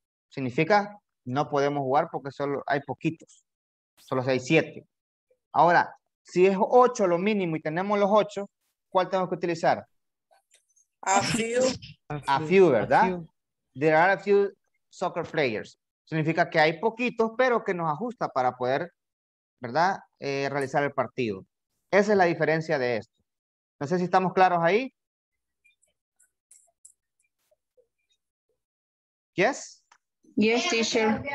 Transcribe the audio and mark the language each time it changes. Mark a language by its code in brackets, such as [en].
[es] Significa no podemos jugar porque solo hay poquitos. Solo hay 7. Ahora, si es 8 lo mínimo y tenemos los 8, ¿cuál tengo que utilizar? [en] A few, [es] ¿verdad? [en] A few. There are a few soccer players. [es] Significa que hay poquitos, pero que nos ajusta para poder, ¿verdad? Realizar el partido. Esa es la diferencia de esto. No sé si estamos claros ahí. [en] Yes? Yes, teacher.